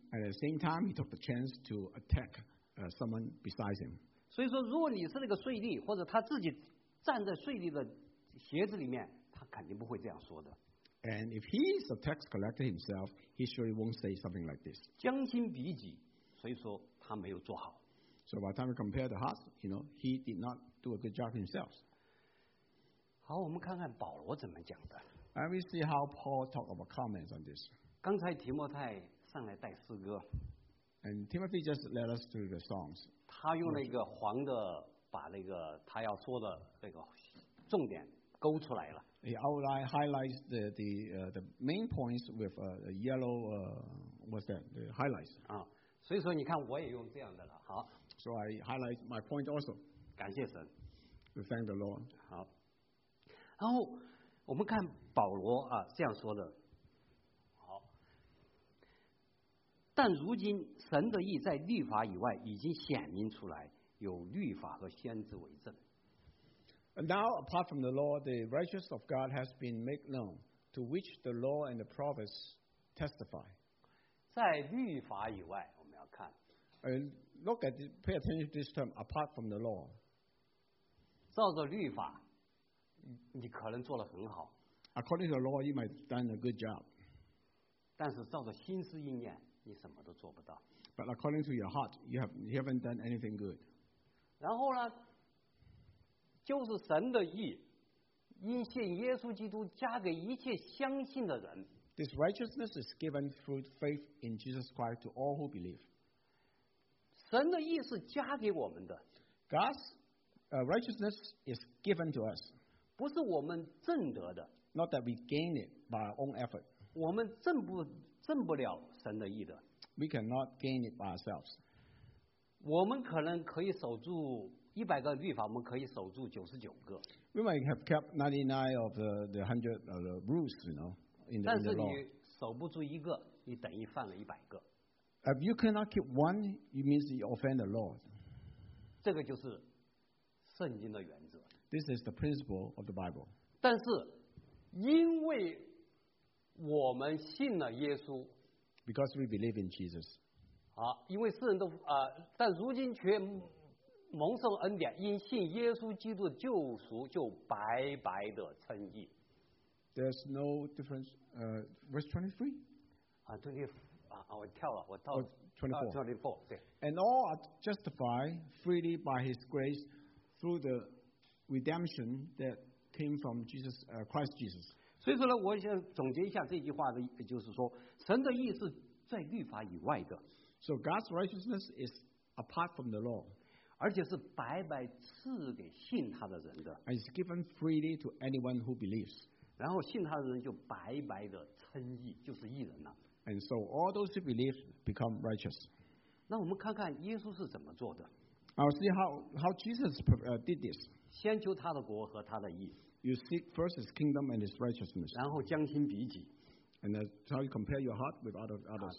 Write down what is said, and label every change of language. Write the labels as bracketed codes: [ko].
[en] At the same time, he took the chance to attack someone besides him. [zh] 所以说，如果你是那个税吏，或者他自己站在税吏的鞋子里面，他肯定不会这样说的。 [en] And if he is a tax collector himself, he surely won't say something like this. [zh] 将心比己，所以说他没有做好。 [en] So by the time we compare the hearts, you know, he did not do a good job himself. [zh] 好，我们看看保罗怎么讲的。 [en] And we see how Paul talked about comments on this. [zh] 刚才提摩太上来带诗歌。 [en] And Timothy just led us through the songs. [zh] 他用那个黄的把那个他要说的那个重点勾出来了。 [en] He outlined highlights the main points with a yellow what's that the highlights. [zh] 啊，所以说你看我也用这样的了。好。 [en] So I highlight my point also. [zh] 感谢神。 [en] We thank the Lord. [zh] 好。然后我们看保罗啊这样说的。但如今神的义在律法以外已经显明出来，有律法和先知为证。 [en] And now, apart from the law, the righteousness of God has been made known, to which the law and the prophets testify. [zh] 在律法以外，我们要看。 [en] Look at, pay attention to this term. Apart from the law, [zh] 照着律法，你可能做得很好。 [en] According to the law, you might have done a good job. [zh] 但是照着心思意念。你什么都做不到。 [en] But according to your heart, you haven't done anything good. [zh] 然后呢，就是神的义，因信耶稣基督加给一切相信的人。 [en] This righteousness is given through faith in Jesus Christ to all who believe. [zh] 神的义是加给我们的。 [en] God's righteousness is given to us. [zh] 不是我们挣得的。 [en] Not that we gain it by our own effort. [zh] 我们挣不了。神的义的 [en] ，We cannot gain it by ourselves. [zh] 我们可能可以守住一百个律法，我们可以守住九十九个。 [en] We might have kept 99 of the hundred of the rules, you know, in the law. [zh] 但是你守不住一个，你等于犯了一百个。 [en] If you cannot keep one, you means you offend the law. [zh] 这个就是圣经的原则。 [en] This is the principle of the Bible. [zh] 但是因为我们信了耶稣。 [en] Because we believe in Jesus. [zh] 好，因为世人都但如今却蒙受恩典，因信耶稣基督的救赎，就白白的称义。 [en] There's no difference. Verse 23. [zh] 我跳了，我到 24. 对。 [en] And all are justified freely by His grace through the redemption that came from Jesus, Christ Jesus. [zh] 所以说呢，我想总结一下这句话的，就是说，神的义是在律法以外的。 [en] So God's righteousness is apart from the law. [zh] 而且是白白赐给信他的人的。 [en] And it's given freely to anyone who believes. [zh] 然后信他的人就白白的称义，就是义人了。 [en] And so all those who believe become righteous. [zh] 那我们看看耶稣是怎么做的。 [en] I'll see how Jesus did this. [zh] 先求他的国和他的义。 [en] You seek first his kingdom and his righteousness. [zh] 然后将心比己。 [en] And that's how you compare your heart with others.